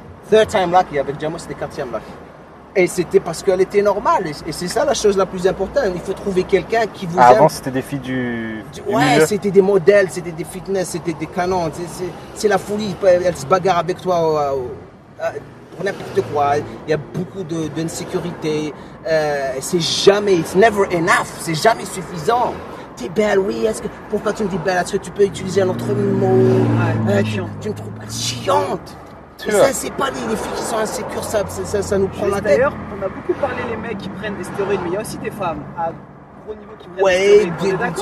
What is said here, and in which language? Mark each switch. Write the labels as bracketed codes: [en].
[en] Third time lucky, [fr] avec Jamo, c'était 4e lucky. Et c'était parce qu'elle était normale. Et c'est ça la chose la plus importante. Il faut trouver quelqu'un qui vous aime. Avant, c'était des filles du ouais, milieu. C'était des modèles, c'était des fitness, c'était des canons. C'est la folie. Elle se bagarre avec toi pour n'importe quoi. Il y a beaucoup d'insécurité. C'est jamais, [en] it's never enough. [fr] C'est jamais suffisant. T'es belle, oui. Pourquoi tu me dis belle? Est-ce que tu peux utiliser un autre mot? Tu me trouves pas chiante. Ça, c'est pas les filles qui sont insécures, ça nous prend juste la tête. D'ailleurs, on a beaucoup parlé des mecs qui prennent des stéroïdes, mais il y a aussi des femmes à gros niveau qui prennent des stéroïdes.